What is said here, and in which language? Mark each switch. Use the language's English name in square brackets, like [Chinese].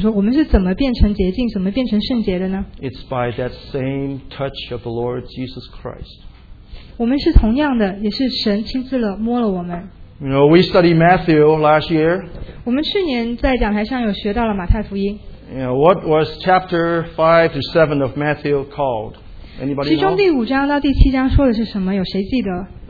[Chinese] 当我想到我们自己的时候，我就在想说，我们是怎么变成洁净，怎么变成圣洁的呢？ [English] It's by that same touch of the Lord Jesus Christ. [Chinese] 我们是同样的，也是神亲自摸了我们。 [English] You know, we studied Matthew last year. [Chinese] 我们去年在讲台上有学到了马太福音。 [English] You know, what was chapter 5 to 7 of Matthew called? Anybody know? [Chinese] 其中第五章到第七章说的是什么？有谁记得？